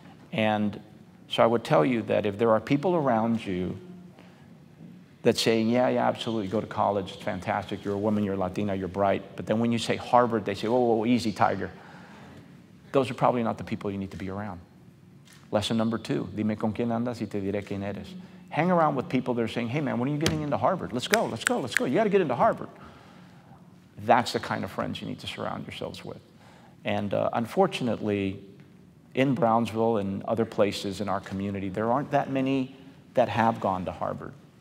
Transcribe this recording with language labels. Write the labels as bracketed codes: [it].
[en] And so I would tell you that if there are people around you that say, yeah, absolutely, go to college, it's fantastic, you're a woman, you're Latina, you're bright, but then when you say Harvard, they say, whoa, easy, tiger. Those are probably not the people you need to be around. Lesson number two, [es] dime con quién andas y te diré quién eres. [en] Hang around with people that are saying, hey, man, when are you getting into Harvard? Let's go. You got to get into Harvard. That's the kind of friends you need to surround yourselves with. And unfortunately, in Brownsville and other places in our community, there aren't that many that have gone to Harvard.